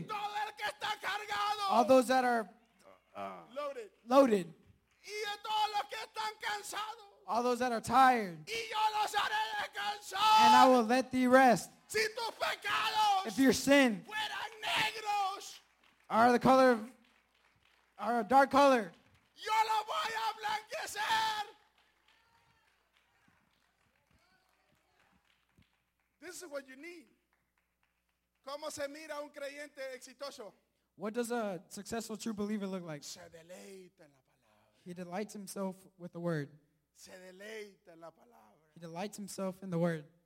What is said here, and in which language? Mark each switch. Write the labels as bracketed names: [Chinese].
[Spanish] Todo el que está cargado, [English] all those that are loaded. Loaded. [Spanish] Y a todos los que están cansados, [English] all those that are tired. [Spanish] Y yo los haré descansar. [English] And I will let thee rest. [Spanish] Si tus pecados, [English] if your sin [Spanish] fueran negros, [English] are the color of, are a dark color, [Spanish] yo lo voy a blanquecer. [English] This is what you need. [Spanish] ¿Cómo se mira un creyente exitoso? [English] What does a successful true believer look like? [Spanish] Se deleita en la palabra. [English] He delights himself with the word. [Spanish] Se deleita en la palabra. [English] He delights himself in the word.